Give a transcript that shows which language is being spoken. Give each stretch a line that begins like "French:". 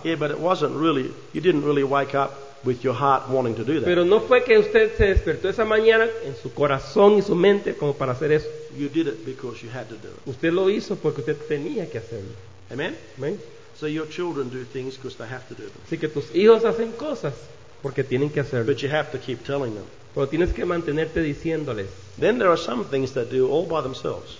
English: Yeah, but it wasn't really, you didn't really wake up with your heart wanting to do that.
Spanish: Pero no fue que usted se despertó esa mañana en su corazón y su mente como para hacer eso.
English: You did it because you had to do it.
Spanish: Usted lo hizo porque usted tenía que hacerlo. Amen. Amen.
English: So your children do things because they have to do them.
Spanish: Así que tus hijos hacen cosas porque tienen que hacerlo.
English: But you have to keep telling them.
Spanish: Pero tienes que mantenerte diciéndoles.
English: Then there are some things that do all by themselves.